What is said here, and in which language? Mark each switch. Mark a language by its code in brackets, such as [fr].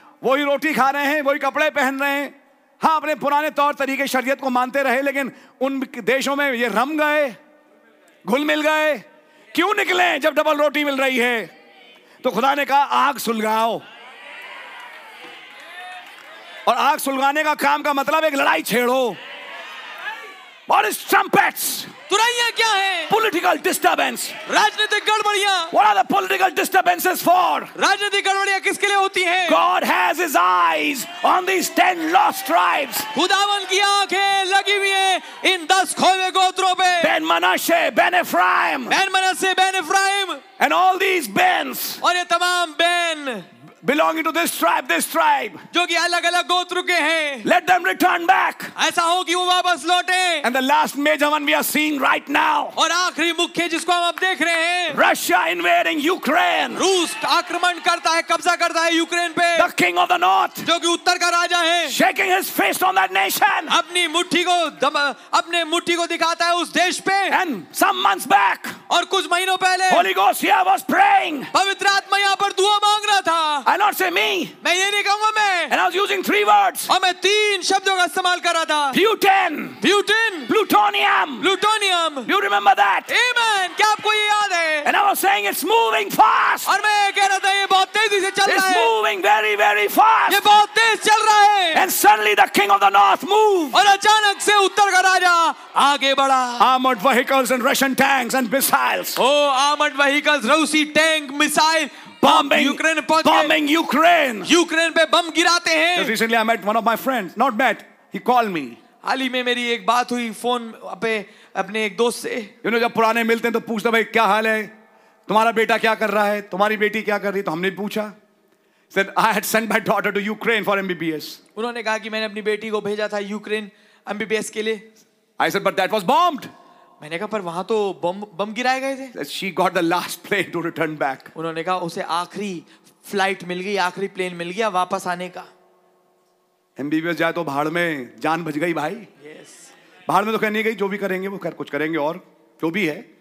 [hi] वही रोटी खा रहे हैं, वही कपड़े पहन रहे हैं. हाँ, अपने पुराने तौर तरीके शरीयत को मानते रहे, लेकिन उन देशों में ये रम गए, घुल मिल गए. क्यों निकले जब डबल रोटी मिल रही है? तो खुदा ने कहा आग सुलगाओ. और आग सुलगाने का काम का मतलब एक लड़ाई छेड़ो. [en] What is trumpets? [hi] तुरैया क्या है? [en] Political disturbance. [hi] राजनीतिक गड़बड़ियां. [en] What are the political disturbances for? [hi] राजनीतिक गड़बड़ियां किसके लिए होती हैं? [en] God has his eyes on these 10 lost tribes. [hi] खुदावन की आंखें लगी हुई हैं इन 10 खोए गोत्रों पे. [en] Ben Manasseh, Ben Ephraim. Ben Manasseh, Ben Ephraim. And all these Bens. [hi] और ये तमाम Ben. [en] Belonging to this tribe. [hi] जो कि अलग-अलग गोत्र के हैं. [en] Let them return back. [hi] ऐसा हो कि वो वापस लौटें. [en] And the last major one we are seeing right now. [hi] और आखरी मुख्य जिसको हम अब देख रहे हैं. [en] Russia invading Ukraine. [hi] रूस आक्रमण करता है, कब्जा करता है यूक्रेन पे. [en] The king of the north. [hi] जो कि उत्तर का राजा है. [en] Shaking his fist on that nation. [hi] अपने मुट्ठी को दिखाता है उस देश पे. [en] And some months back. [hi] और कुछ महीनों पहले. [en] Holy Ghost here was praying. [hi] पवित्र आत्मा यहाँ पर दुआ मांग रहा था. [en] I not say me. [hi] मैं ये नहीं कहूँगा मैं. [en] And I was using 3 words. [hi] और मैं 3 शब्दों का इस्तेमाल कर रहा था. [en] Butane. Plutonium. Plutonium. You remember that? [hi] Amen. क्या आपको ये याद है? [en] And I was saying it's moving fast. [hi] और मैं कह रहा था ये बहुत तेजी से चल रहा है. [en] It's moving very, very fast. [hi] ये बहुत तेज चल रहा है. [en] And suddenly the king of the north moved. [hi] और अचानक से उत्तर का राजा आगे बढ़ा. [en] Armored vehicles and Russian tanks and missiles. Oh, armored vehicles, [hi] रूसी टैंक, मिसाइल. [en] Bombing Ukraine [hi] पे बम गिराते हैं. [en] Just recently I met one of my friends, not met, he called me. [hi] हाल ही में मेरी एक बात हुई फोन पे अपने एक दोस्त से. [en] You know, [hi] जब पुराने मिलते हैं तो पूछते भाई क्या हाल है, तुम्हारा बेटा क्या कर रहा है, तुम्हारी बेटी क्या कर रही है. तो हमने पूछा. [en] Said I had sent my daughter to Ukraine for MBBS. [hi] उन्होंने कहा कि मैंने अपनी बेटी को भेजा था यूक्रेन MBBS के लिए. [en] I said but that was bombed. [hi] मैंने कहा पर वहां तो बम गिराए गए थे. [en] She got the last plane to return back. [hi] उन्होंने कहा उसे आखिरी फ्लाइट मिल गई, आखिरी प्लेन मिल गया वापस आने का. MBBS जाए तो भाड़ में जान बच गई भाई. [en] Yes. [hi] भाड़ में तो कहने गई, जो भी करेंगे वो खैर कुछ करेंगे और जो भी है.